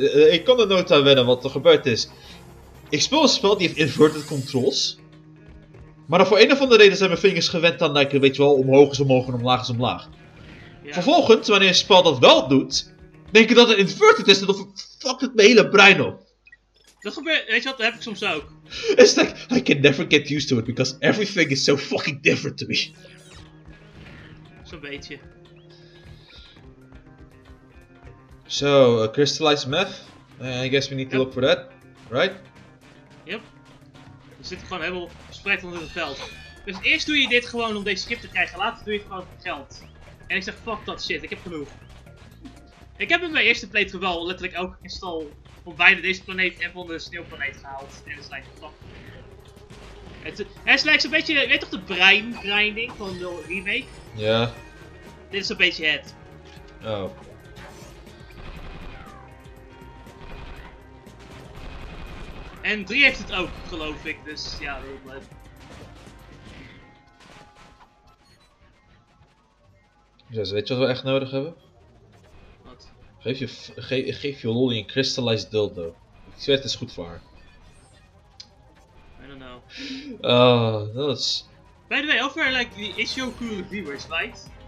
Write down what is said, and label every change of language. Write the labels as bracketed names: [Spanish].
[Dutch] Ik kan er nooit aan wennen wat er gebeurd is. Ik speel een spel die heeft inverted controls. Maar dan voor een of andere reden zijn mijn vingers gewend aan, like, weet je wel, omhoog is omhoog en omlaag is omlaag. Ja. Vervolgens, wanneer een spel dat wel doet, denk ik dat het inverted is en dan fuckt het mijn hele brein op. Dat gebeurt, weet je wat, dat heb ik soms ook. [English] It's like, I can never get used to it because everything is so fucking different to me. [Dutch] Zo'n beetje. [English] So, crystallized meth. I guess we need to look for that, right? [Dutch] We zitten gewoon helemaal verspreid onder het veld. Dus eerst doe je dit gewoon om deze schip te krijgen, later doe je het gewoon voor geld. En ik zeg, fuck dat shit, ik heb genoeg. Ik heb in mijn eerste playthrough wel letterlijk elke kristal van beide deze planeet en van de sneeuwplaneet gehaald. En het is like, fuck. Het is like zo'n beetje, weet je toch de brain grinding van de remake? Ja. Yeah. Dit is een beetje het. Oh. En 3 heeft het ook, geloof ik, dus ja, heel blij. Dus weet je wat we echt nodig hebben? Wat? Geef je Lolly een crystallized dildo. Ik zweer het is goed voor haar. [English] I don't know. [Dutch] Dat is... [English] By the way, over like, the issue of cool viewers, right?